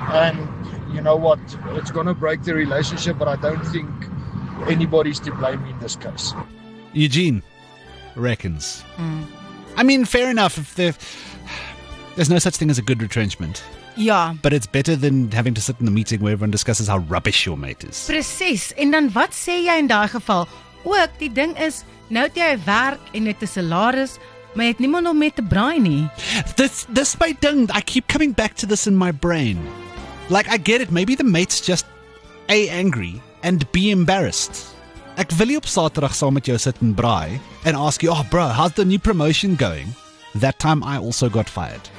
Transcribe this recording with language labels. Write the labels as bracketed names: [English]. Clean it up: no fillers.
[English] And you know what? It's going to break the relationship, but I don't think anybody's to blame in this case. Eugene reckons. Mm. I mean, fair enough. If there's no such thing as a good retrenchment. Yeah. But it's better than having to sit in the meeting where everyone discusses how rubbish your mate is. [Afrikaans] Precies. En dan wat sê jy in daai geval? Ook, die ding is, nou het jy werk en het 'n salaris, maar jy het niemand om mee te braai nie. [English] This my ding, I keep coming back to this in my brain. Like, I get it, maybe the mate's just A, angry, and B, embarrassed. [Afrikaans] Ek wil op Saterdag saam met jou sit en braai, [English] and ask you, oh bro, how's the new promotion going? That time I also got fired.